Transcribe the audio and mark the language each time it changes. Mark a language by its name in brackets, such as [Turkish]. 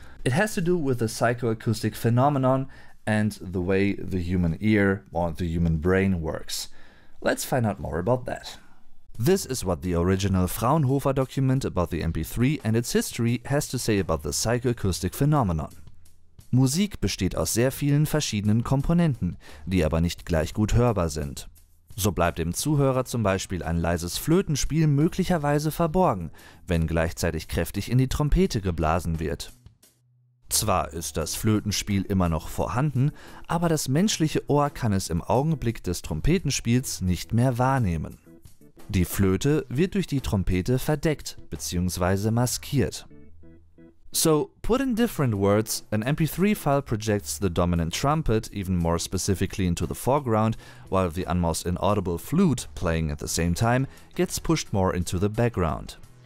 [English] It has to do with the psychoacoustic phenomenon and the way the human ear or the human brain works. Let's find out more about that. This is what the original Fraunhofer document about the MP3 and its history has to say about the psychoacoustic phenomenon. [German] Musik besteht aus sehr vielen verschiedenen Komponenten, die aber nicht gleich gut hörbar sind. So bleibt dem Zuhörer zum Beispiel ein leises Flötenspiel möglicherweise verborgen, wenn gleichzeitig kräftig in die Trompete geblasen wird. Zwar ist das Flötenspiel immer noch vorhanden, aber das menschliche Ohr kann es im Augenblick des Trompetenspiels nicht mehr wahrnehmen. Die Flöte wird durch die Trompete verdeckt bzw. maskiert. [English] So, put in different words, an MP3 file projects the dominant trumpet even more specifically into the foreground, while the almost inaudible flute, playing at the same time, gets pushed more into the background.